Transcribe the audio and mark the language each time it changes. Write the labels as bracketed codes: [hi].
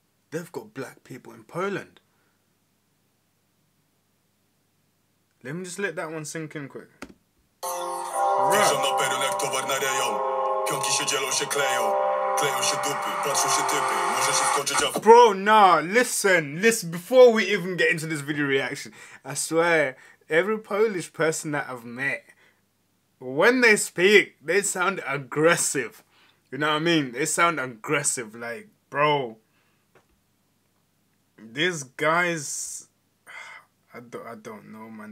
[en] They've got black people in Poland. Let me just let that one sink in quick. [pl] Wierzą na peron jak towar na rejon. Pionki się dzielą, się kleją. Kleją się dupy, patrzą się typy. Może się skończyć aferą. [en] Bro, nah, listen, before we even get into this video reaction, I swear, every Polish person that I've met, when they speak, they sound aggressive. You know what I mean? They sound aggressive. Like, bro, these guys, I don't know, man.